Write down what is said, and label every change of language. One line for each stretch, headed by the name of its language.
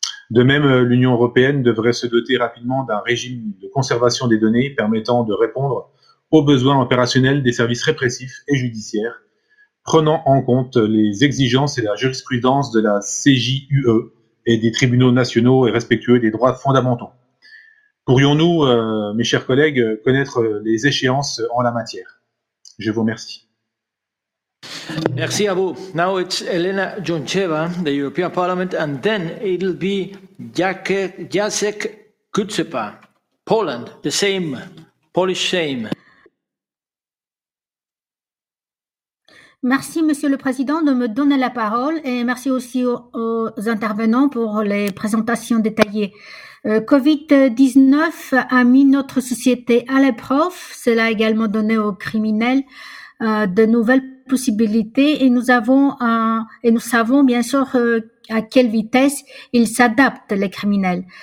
French: De même, l'Union européenne devrait se doter rapidement d'un régime de conservation des données permettant de répondre aux besoins opérationnels des services répressifs et judiciaires, prenant en compte les exigences et la jurisprudence de la CJUE et des tribunaux nationaux et respectueux des droits fondamentaux. Pourrions-nous, mes chers collègues, connaître les échéances en la matière? Je vous remercie. Merci à vous.
English: Now it's Elena Joncheva, the European Parliament, and then it'll be Jacek Kutsepa, Poland, the same, Polish same.
French: Merci, Monsieur le Président, de me donner la parole et merci aussi aux intervenants pour les présentations détaillées. Covid-19 a mis notre société à l'épreuve. Cela a également donné aux criminels de nouvelles possibilités et nous savons bien sûr à quelle vitesse ils s'adaptent, les criminels.